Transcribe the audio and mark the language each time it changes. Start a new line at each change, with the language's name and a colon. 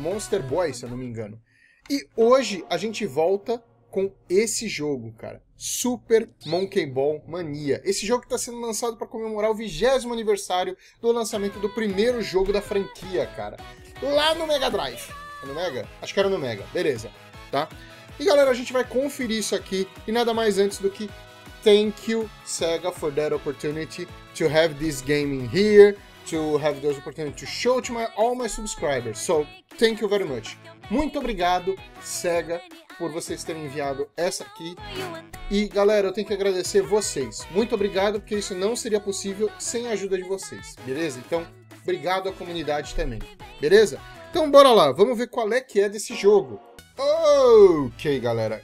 Portuguese: Monster Boy, se eu não me engano. E hoje a gente volta com esse jogo, cara. Super Monkey Ball Mania. Esse jogo que tá sendo lançado para comemorar o 20º aniversário do lançamento do primeiro jogo da franquia, cara. Lá no Mega Drive. É no Mega? Acho que era no Mega. Beleza, tá? E galera, a gente vai conferir isso aqui. E nada mais antes do que
English: thank you, Sega, for that opportunity to have this game in here, to have this opportunity to show to all my subscribers. So, thank you very much.
Portuguese: Muito obrigado, Sega, por vocês terem enviado essa aqui. E, galera, eu tenho que agradecer vocês. Muito obrigado, porque isso não seria possível sem a ajuda de vocês. Beleza? Então, obrigado à comunidade também. Beleza? Então, bora lá. Vamos ver qual é que é desse jogo. Ok, galera.